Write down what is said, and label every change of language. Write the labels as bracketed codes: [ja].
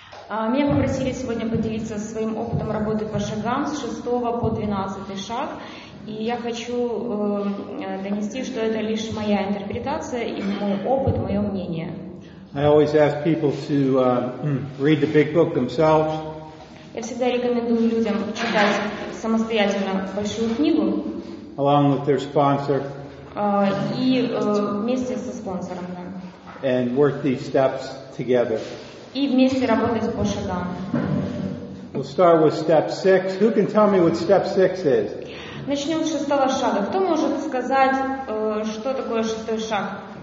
[ru] Меня попросили сегодня поделиться своим опытом работы по шагам с 6 по 12 шаг. И я хочу донести, что это лишь моя интерпретация и мой опыт, мое мнение. [en] I always ask people to read the big book themselves. [ru] Я всегда рекомендую людям читать самостоятельно большую книгу. [en] Along with their sponsor. [ru] Вместе со спонсором, да. [en] And work these steps together. [ru] И вместе работать по шагам. [en] We'll start with step 6. Who can tell me what step 6 is? [ru] Начнем с шестого шага. Кто может сказать, что такое шестой шаг?